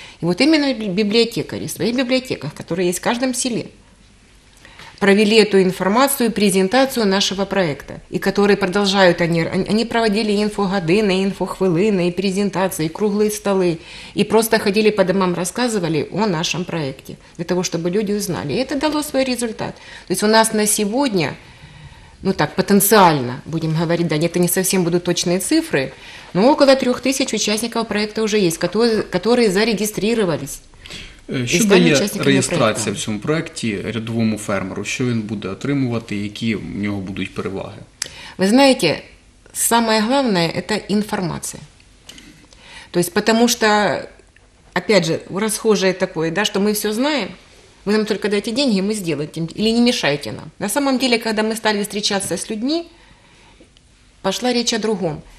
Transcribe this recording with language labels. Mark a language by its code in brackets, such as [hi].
[ru] И вот именно библиотекари, в своих библиотеках, которые есть в каждом селе, провели эту информацию, презентацию нашего проекта, и которые продолжают, они проводили инфогодыны, инфохвылыны, и презентации, и круглые столы, и просто ходили по домам, рассказывали о нашем проекте, для того, чтобы люди узнали. И это дало свой результат. То есть у нас на сегодня, ну так, потенциально, будем говорить, да, это не совсем будут точные цифры, но около 3000 участников проекта уже есть, которые зареєструвались. [uk] Що дає реєстрація в цьому проєкті рядовому фермеру? Що він буде отримувати, які в нього будуть переваги? Ви знаєте, [ru] самое главное – это информация. То есть, потому что, опять же, расхожее такое, да, что мы все знаем, вы нам только дайте деньги, мы сделаем, или не мешайте нам. На самом деле, когда мы стали встречаться с людьми, пошла речь о другом.